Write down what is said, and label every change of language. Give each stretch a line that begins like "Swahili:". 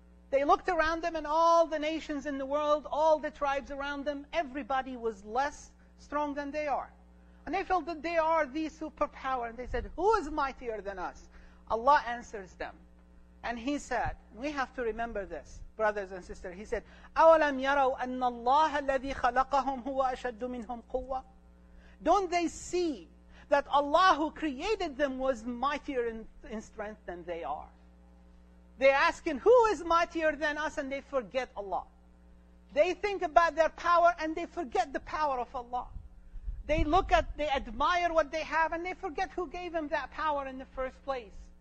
English: They looked around them and all the nations in the world, all the tribes around them, everybody was less strong than they are. And they felt that they are the superpower. And they said, who is mightier than us? Allah answers them. And he said, we have to remember this, brothers and sisters. He said,
Arabic: أَوَلَمْ يَرَوْا أَنَّ اللَّهَ الَّذِي خَلَقَهُمْ هُوَ أَشَدُّ مِنْهُمْ قُوَّةً.
English: Don't they see that Allah who created them was mightier in strength than they are? They're asking, who is mightier than us? And they forget Allah. They think about their power and they forget the power of Allah. They look at, they admire what they have and they forget who gave them that power in the first place.